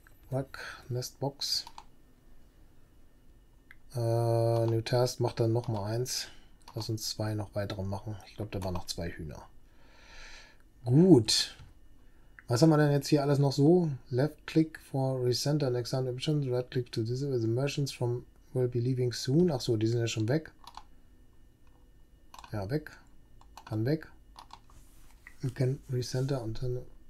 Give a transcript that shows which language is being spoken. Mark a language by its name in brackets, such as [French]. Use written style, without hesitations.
[English] Rack, Nestbox. [German] New Task macht dann noch mal eins. Lass uns zwei noch weitere machen. Ich glaube, da waren noch zwei Hühner. Gut. Was haben wir denn jetzt hier alles noch so? [English] Left click for recent and exempt options. Right click to disable. The merchants from will be leaving soon. [German] Ach so, die sind ja schon weg. Ja, weg. Dann weg. [English] You can recenter [German] und dann.